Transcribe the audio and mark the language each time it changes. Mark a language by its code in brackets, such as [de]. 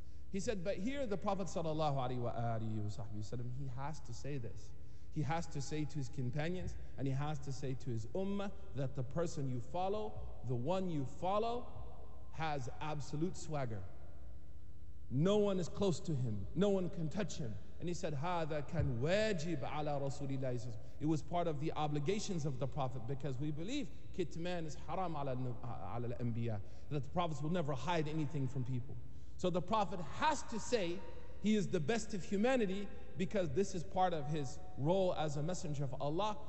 [en] He said, but here the Prophet sallallahu alayhi wa sallam, he has to say this. He has to say to his companions, and he has to say to his ummah, that the person you follow, the one you follow, has absolute swagger. No one is close to him. No one can touch him. And he said, [ar] هذا كان واجب على رسول الله صلى الله عليه وسلم. [en] It was part of the obligations of the Prophet, because we believe kitman is haram [ar] على الأنبياء, [en] that the prophets will never hide anything from people. So the Prophet has to say He is the best of humanity because this is part of his role as a messenger of Allah.